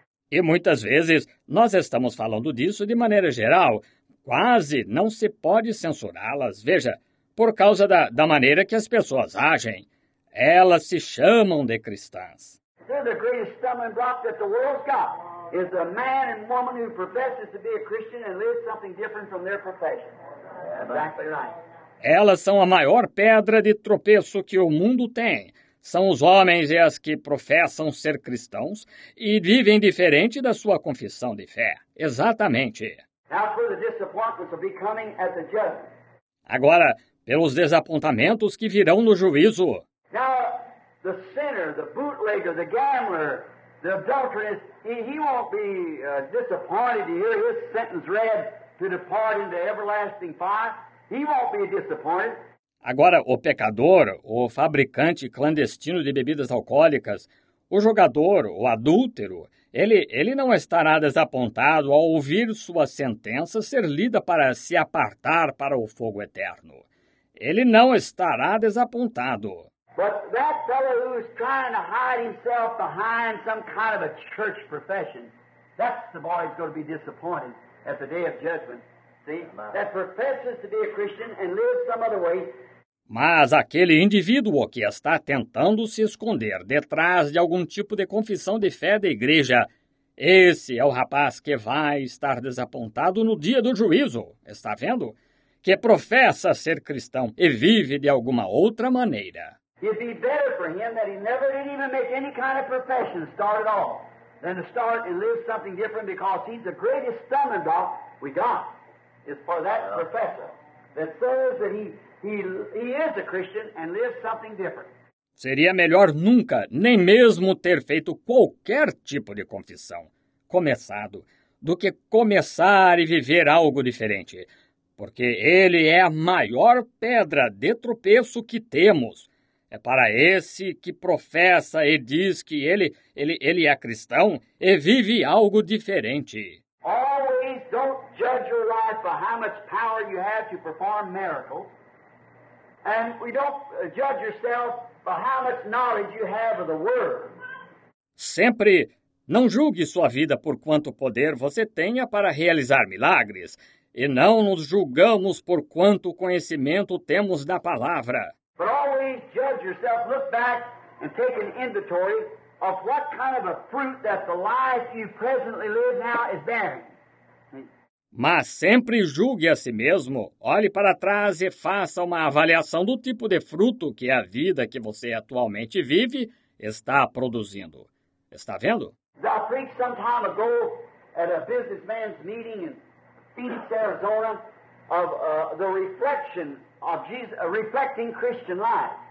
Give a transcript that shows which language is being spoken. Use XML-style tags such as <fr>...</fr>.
<pt>E muitas vezes, nós estamos falando disso de maneira geral. Quase não se pode censurá-las. Veja, por causa da maneira que as pessoas agem, elas se chamam de cristãs.</pt> <en>The greatest stumbling block that the world's got is a man and woman who professes to be a Christian and lives something different from their profession. Exactly right.</en> <pt>Elas são a maior pedra de tropeço que o mundo tem. São os homens e as que professam ser cristãos e vivem diferente da sua confissão de fé. Exatamente.</pt> <en>That's where the disappointments will be coming at the judgment.</en> <pt>Agora, pelos desapontamentos que virão no juízo.</pt> <en>Now, the sinner, the bootlegger, the gambler, the adulteress, he won't be disappointed to hear his sentence read to depart into everlasting fire. He won't be disappointed.</en> <pt>Agora, o pecador, o fabricante clandestino de bebidas alcoólicas, o jogador, o adúltero, ele não estará desapontado ao ouvir sua sentença ser lida para se apartar para o fogo eterno. Ele não estará desapontado.</pt> <en>But that fellow who's trying to hide himself behind some kind of a church profession, that's the boy who's going to be disappointed at the day of judgment. See? That professes to be a Christian and lives some other way.</en> <pt>Mas aquele indivíduo que está tentando se esconder detrás de algum tipo de confissão de fé da igreja, esse é o rapaz que vai estar desapontado no dia do juízo, está vendo? Que professa ser cristão e vive de alguma outra maneira.</pt> <en>It'd be better for him that he never did even make any kind of profession start at all than to start and live something different because he's the greatest stumbling block we got is for that professor that says that he is a Christian and lives something different.</en> <pt>Seria melhor nunca, nem mesmo ter feito qualquer tipo de confissão, começado, do que começar e viver algo diferente. Porque ele é a maior pedra de tropeço que temos. É para esse que professa e diz que ele é cristão e vive algo diferente.</pt> <en>Always don't judge your life by how much power you have to perform miracles. And we don't judge yourself by how much knowledge you have of the word.</en> <pt>Sempre não julgue sua vida por quanto poder você tenha para realizar milagres. E não nos julgamos por quanto conhecimento temos da palavra.</pt> <en>But always judge yourself, look back and take an inventory of what kind of a fruit that the life you presently live now is bearing.</en> <pt>Mas sempre julgue a si mesmo, olhe para trás e faça uma avaliação do tipo de fruto que a vida que você atualmente vive está produzindo. Está vendo?</pt> <en>I preached some time ago at a businessman's meeting in Phoenix, Arizona, of the reflection of Jesus, a reflecting Christian life.</en>